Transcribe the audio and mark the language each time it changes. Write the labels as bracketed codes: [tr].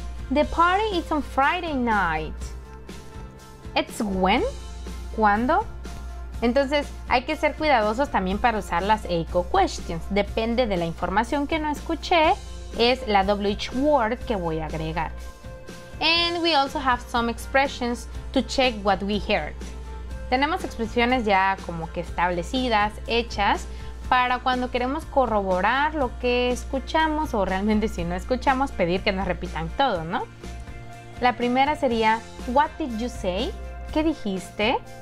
[en] The party is on Friday night. ¿It's when? [es] ¿Cuándo? Entonces, hay que ser cuidadosos también para usar las echo questions. Depende de la información que no escuché, es la WH word que voy a agregar. [en] And we also have some expressions to check what we heard. [es] Tenemos expresiones ya como que establecidas, hechas, para cuando queremos corroborar lo que escuchamos o realmente si no escuchamos, pedir que nos repitan todo, ¿no? La primera sería, [en] what did you say? [es] ¿Qué dijiste?